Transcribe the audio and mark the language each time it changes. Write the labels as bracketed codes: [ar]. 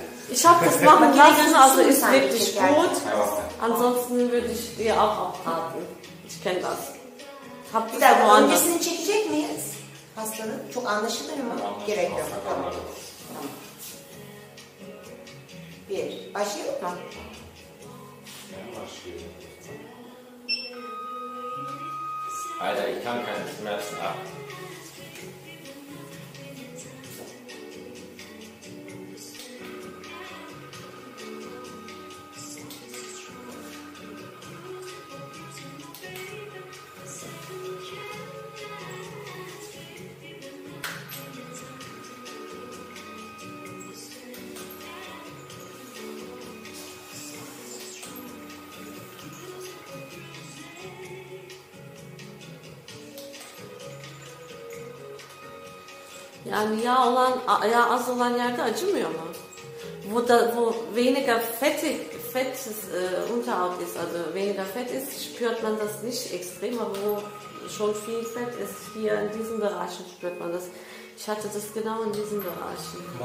[de] Ich habe das machen lassen, also ist wirklich gut. Ansonsten würde ich dir auch abraten. Ich kenne das. Habt ihr da woanders? [tr] Öncesini çekecek miyiz? Hastanın çok anlaşılır mı? Gerek yok. Tamam. Bir. Başlayalım mı? Başlayalım. [de] Alter, ich kann keine Schmerzen ab. [tr] Yani yağ olan, yağ az olan yerde acımıyor mu? [de] Wo da, wo weniger fett ist, unterhalb ist, also weniger fett ist, spürt man das nicht extrem, aber wo schon viel fett ist, hier in diesen Bereichen spürt man das. Ich hatte das genau in diesen Bereichen.